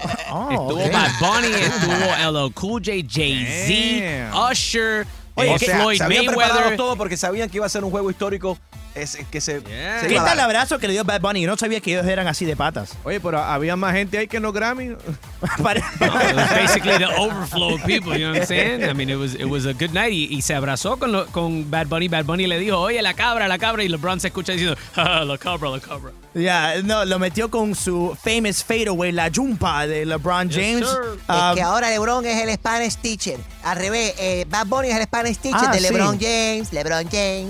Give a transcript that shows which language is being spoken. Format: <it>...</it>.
<es>Oh, estuvo Bad Bunny, estuvo LL Cool J, Jay-Z, Damn. Usher, Floyd Mayweather. Se habían preparado todo porque sabían que iba a ser un juego histórico. Es que se,</es> <en>yeah.</en> <es>¿Qué tal el abrazo que le dio Bad Bunny? Yo no sabía que ellos eran así de patas. Oye, pero había más gente ahí que en los Grammy.</es> <en>Basically the overflow of people, you know what I'm saying? I mean, it was a good night.</en> <es>Y se abrazó con Bad Bunny. Bad Bunny le dijo, oye, la cabra. Y LeBron se escucha diciendo, la cabra, la cabra. Ya, yeah, no, lo metió con su</es> <en>famous fadeaway,</en> <es>la jumpa de LeBron James. Yes, es que ahora LeBron es el</es> <en>Spanish teacher.</en> <es>Al revés, Bad Bunny es el Spanish teacher de LeBron James. LeBron James.</es>